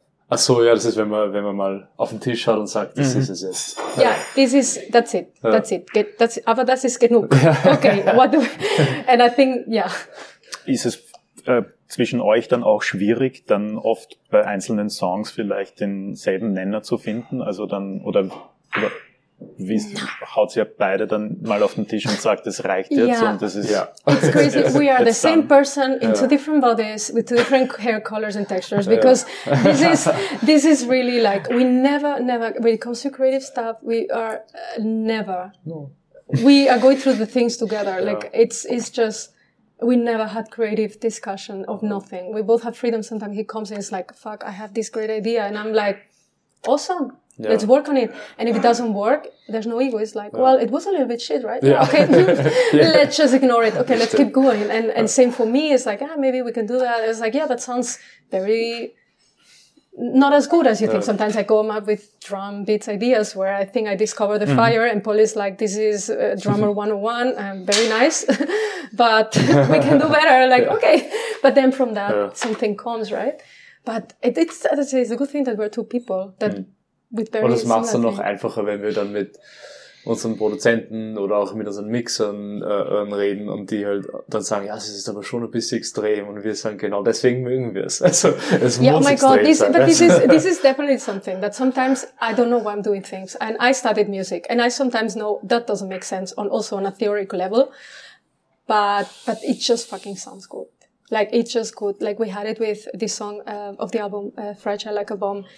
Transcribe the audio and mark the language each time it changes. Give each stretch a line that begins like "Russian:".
German: Ach so, ja, das ist, wenn man mal auf den Tisch schaut und sagt, das ist es jetzt.
English: Yeah, this is, that's it.
German: Ja.
English: That's it.
German: Aber das ist genug.
English: Okay, what do we, and I think, yeah.
German: Ist es, zwischen euch dann auch schwierig, dann oft bei einzelnen Songs vielleicht denselben Nenner zu finden? Also dann, oder wie haut's ja beide dann mal auf den Tisch und sagt, das reicht jetzt und das ist ja.
English: It's crazy. We are the same person in two different bodies with two different hair colors and textures because this is really like we never when it comes to creative stuff we are never. No. We are going through the things together. Yeah. Like it's just we never had creative discussion of nothing. We both have freedom. Sometimes he comes and it's like, fuck, I have this great idea, and I'm like, awesome. Yeah. Let's work on it. And if it doesn't work, there's no ego. It's like, well, it was a little bit shit, right? Yeah. Okay. Let's just ignore it. Okay. Let's keep going. And same for me. It's like, maybe we can do that. It's like, that sounds very not as good as you think. Sometimes I come up with drum beats ideas where I think I discover the fire and Paul is like, this is drummer 101. Very nice, but we can do better. Like, okay. But then from that, something comes, right? But it's a good thing that we're two people that,
German: und das macht es dann noch einfacher, wenn wir dann mit unseren Produzenten oder auch mit unseren Mixern reden und die halt dann sagen, ja, es ist aber schon ein bisschen extrem und wir sagen, genau deswegen mögen wir es. Also es muss extrem sein.
English: Oh my God, this is definitely something that sometimes I don't know why I'm doing things and I studied music and I sometimes know that doesn't make sense also on a theoretical level, but it just fucking sounds good. Like, it's just good. Like, we had it with this song of the album, Fragile Like a Bomb.